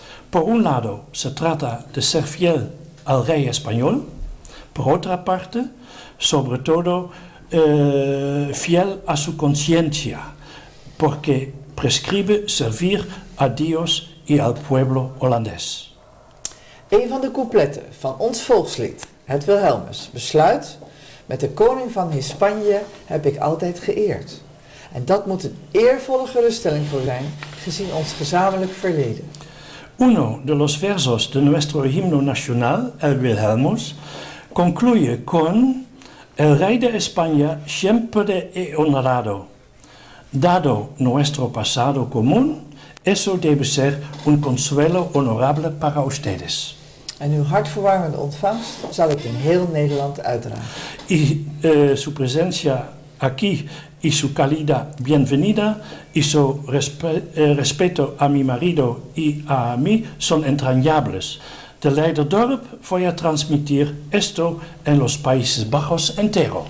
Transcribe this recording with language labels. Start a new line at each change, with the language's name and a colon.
Spanish: Por un lado, se trata de ser fiel al rey español. Por otra parte, sobre todo, fiel a su conciencia, porque prescribe servir a Dios y al pueblo holandés.
Dutch: Een van de coupletten van ons volkslied, het Wilhelmus, besluit: met de koning van Hispanje heb ik altijd geëerd. En dat moet een eervolle geruststelling voor zijn, gezien ons gezamenlijk verleden.
Spanish: Uno de los versos de nuestro himno nacional, el Wilhelmus, concluye con el rey de España siempre he honrado. Dado nuestro pasado común, eso debe ser un consuelo honorable para ustedes.
Dutch: En uw hartverwarmende ontvangst zal ik in heel Nederland uitdragen.
Spanish: Y su presencia aquí y su cálida bienvenida y su respeto a mi marido y a mí son entrañables. De leider Dorp voy a transmitir esto en los Países Bajos entero.